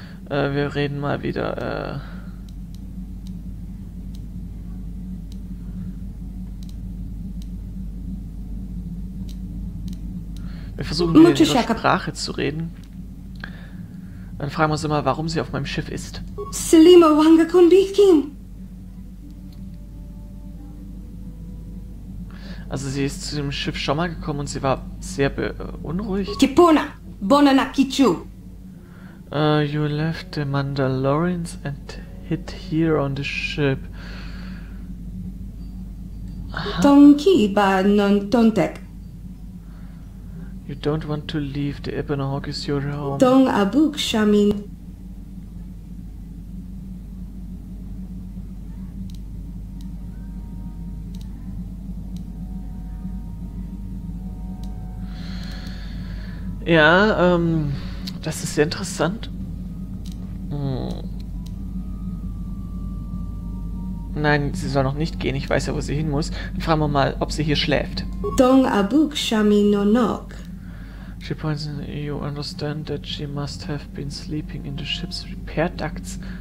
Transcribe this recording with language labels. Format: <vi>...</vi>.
<de>Wir reden mal wieder, wir versuchen, mit ihrer Sprache zu reden. Dann fragen wir uns immer, warum sie auf meinem Schiff ist. Selima wanga kumbikin. Also sie ist zu dem Schiff schon mal gekommen und sie war sehr beunruhigt. Kipuna, bona na kichu.</de> <en>You left the Mandalorians and hid here on the ship. Tonki ba non tontek. You don't want to leave. The Ebony Hawk is your home. Tong Abuk Shamin.</en> <de>Ja, das ist sehr interessant. Nein, sie soll noch nicht gehen. Ich weiß ja, wo sie hin muss. Dann fragen wir mal, ob sie hier schläft. Tong Abuk Shamin no Nok.</de> <en>She points and you understand that she must have been sleeping in the ship's repair ducts.</en>